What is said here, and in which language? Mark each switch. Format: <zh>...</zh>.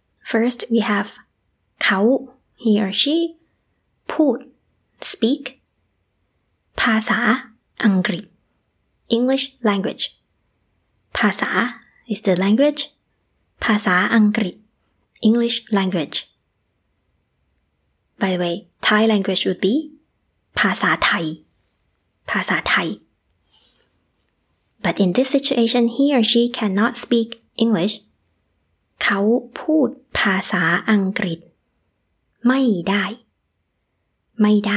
<en>First, we have เขา he or she พูด speak</en> <th>ภาษาอังกฤษ</th> <en>English language ภาษา is the language ภาษาอังกฤษ English language By the way Thai language would be</en> <th>ภาษาไทยภาษาไทย</th> <en>But in this situation he or she cannot speak English</en> <th>เขาพูดภาษาอังกฤษไม่ได้ไม่ได</th>